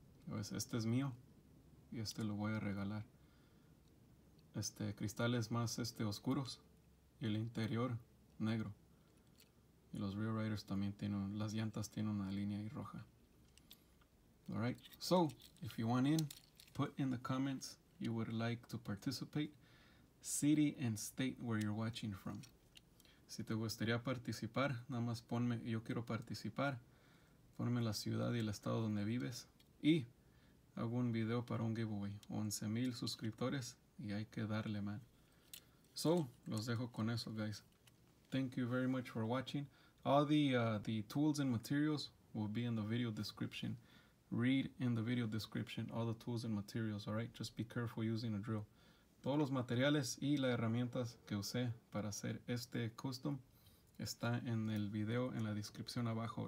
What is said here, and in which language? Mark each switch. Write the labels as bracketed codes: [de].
[es] Pues este es mío y este lo voy a regalar. Este cristal es más oscuros y el interior negro. Y los Rear Riders también tienen, las llantas tienen una línea ahí roja. [en] Alright, so if you want in, put in the comments you would like to participate, city and state where you're watching from. [es] Si te gustaría participar, nada más ponme, yo quiero participar, ponme la ciudad y el estado donde vives y hago un video para un giveaway. 11,000 suscriptores y hay que darle, man. So, los dejo con eso, guys. [en] Thank you very much for watching. All the tools and materials will be in the video description. Read in the video description all the tools and materials, alright? Just be careful using a drill. [es] Todos los materiales y las herramientas que usé para hacer este custom está en el video en la descripción abajo.